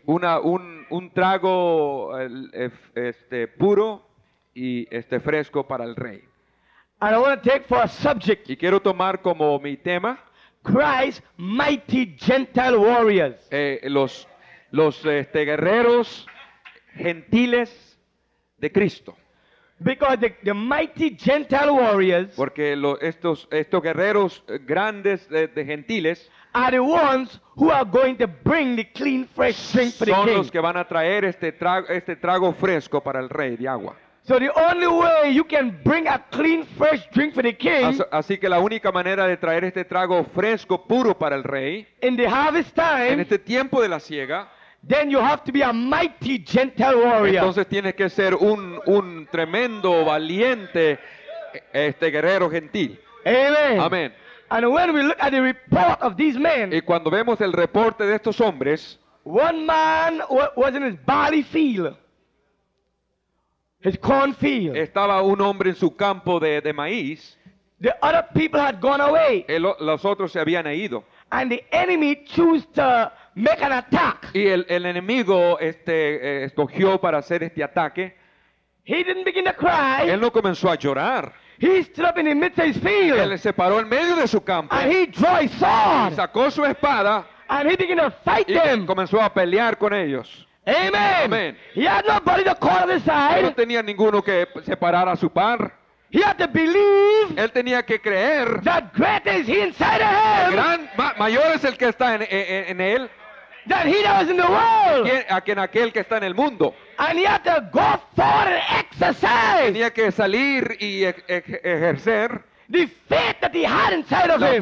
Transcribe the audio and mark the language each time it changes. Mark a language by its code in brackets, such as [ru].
[es] Un trago puro y fresco para el rey. [en] And I want to take for a subject. [es] Y quiero tomar como mi tema. [en] Christ, mighty Gentile warriors. [es] Los guerreros gentiles de Cristo. [en] Because the mighty Gentile warriors. [es] Porque estos guerreros grandes de gentiles. [en] Are the ones who are going to bring the clean, fresh drink for the king. [es] Son los que van a traer este trago fresco para el rey de agua. [en] So the only way you can bring a clean, fresh drink for the king. [es] Así que la única manera de traer este trago fresco puro para el rey. [en] In the harvest time. [es] En este tiempo de la siega. [en] Then you have to be a mighty gentle warrior. [es] Entonces tienes que ser un tremendo valiente guerrero gentil. [en] Amen. [es] Amen. [en] And when we look at the report of these men. [es] Y cuando vemos el reporte de estos hombres. [en] One man was in his barley field. His cornfield. [es] Estaba un hombre en su campo de maíz. [en] The other people had gone away. [es] Los otros se habían ido. [en] And the enemy chose to make an attack. [es] Y el enemigo escogió para hacer este ataque. [en] He didn't begin to cry. [es] Él no comenzó a llorar. [en] He stood up in the midst of his field. [es] Él se paró en medio de su campo. [en] And he drew his sword. [es] Y sacó su espada. [en] And he began to fight them. [es] Y comenzó a pelear con ellos. [en] Amen. [es] Amen. [en] He had nobody to call on his side. [es] Él no tenía ninguno que separara a su par. [en] He had to believe. [es] Él tenía que creer. [en] That greater is he inside of him. [es] El gran mayor es el que está en él. [en] That he that was in the world. [es] Aquel que está en el mundo. [en] And he had to go forward and exercise. [es] Tenía que salir y ejercer. [en] The faith that he had inside of him.